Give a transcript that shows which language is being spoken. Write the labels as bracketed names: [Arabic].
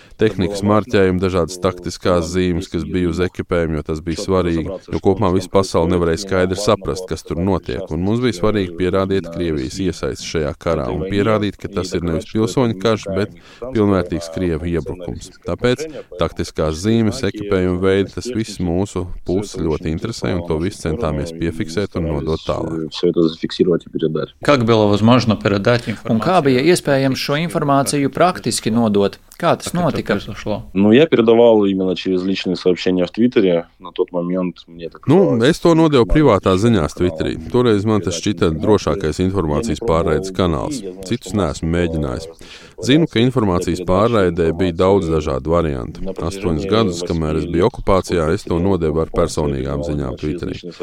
[Latvian] Tehnikas marķējumi, dažādas taktiskās zīmes, kas bija uz ekipējumu, jo tas bija svarīgi, jo kopumā visu pasauli nevarēja skaidri saprast, kas tur notiek, un mums bija svarīgi pierādīt Krievijas iesaistu šajā karā un pierādīt, ka tas ir nevis pilsoņu karš, bet pilnvērtīgs krievu iebrukums. Tāpēc taktiskās zīmes, ekipējumu veidi, tas viss mūsu pusi ļoti interesē, un to viss centāmies piefiksēt un nodot tālāk. Un kā bija iespējams šo informāciju praktiski nodot? Kā tas notika? [Russian] Я передавал именно через личные сообщения в Твиттере на тот момент. [Latvian] Es to nodevu privātā ziņā Twitterī. Toreiz man tas šķita drošākais informācijas pārraides kanāls. Citus neesmu mēģinājis. Zinu, ka informācijas pārraidē bija daudz dažādu variantu. 8 gadus, kamēr es biju okupācijā, es to nodevu ar personīgām ziņām Twitterī.